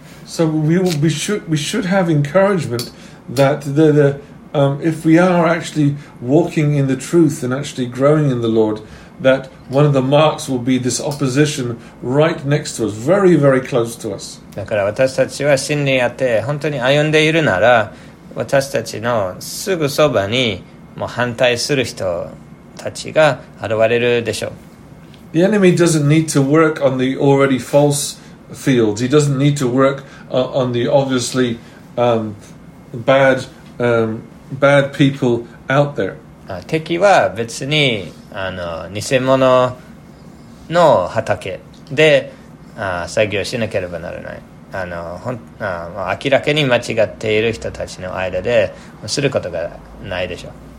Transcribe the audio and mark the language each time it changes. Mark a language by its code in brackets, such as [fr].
[en] So we should have encouragement that if we are actually walking in the truth and actually growing in the Lord, that one of the marks will be this opposition right next to us, very, very close to us. [ja] だから私たちは真理にあって本当に歩んでいるなら、私たちのすぐそばにもう反対する人たちが現れるでしょう。 [en] The enemy doesn't need to work on the already false fields. He doesn't need to work on the obviously bad people out there. [ja] 敵は別に偽物の畑で作業しなければならない。明らかに間違っている人たちの間ですることがないでしょう。